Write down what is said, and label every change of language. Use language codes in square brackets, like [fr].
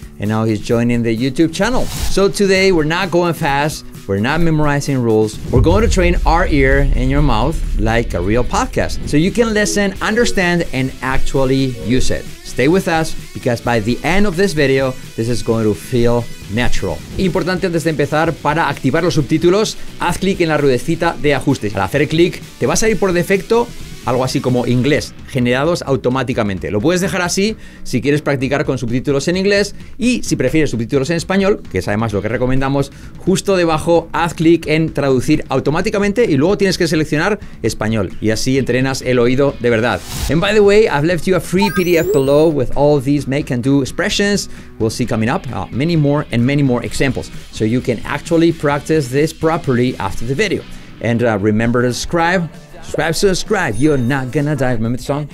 [en] And now he's joining the YouTube channel. So today we're not going fast. We're not memorizing rules. We're going to train our ear and your mouth like a real podcast. So you can listen, understand, and actually use it. Stay with us, because by the end of this video, this is going to feel natural. [es] Importante antes de empezar, para activar los subtítulos, haz clic en la ruedecita de ajustes. Al hacer clic, te va a salir por defecto algo así como inglés, generados automáticamente. Lo puedes dejar así si quieres practicar con subtítulos en inglés, y si prefieres subtítulos en español, que es además lo que recomendamos, justo debajo haz clic en traducir automáticamente y luego tienes que seleccionar español, y así entrenas el oído de verdad. [en] And by the way, I've left you a free PDF below with all these make and do expressions we'll see coming up, many more and many more examples, so you can actually practice this properly after the video. And remember to subscribe. Subscribe, subscribe, you're not gonna die. Remember the song?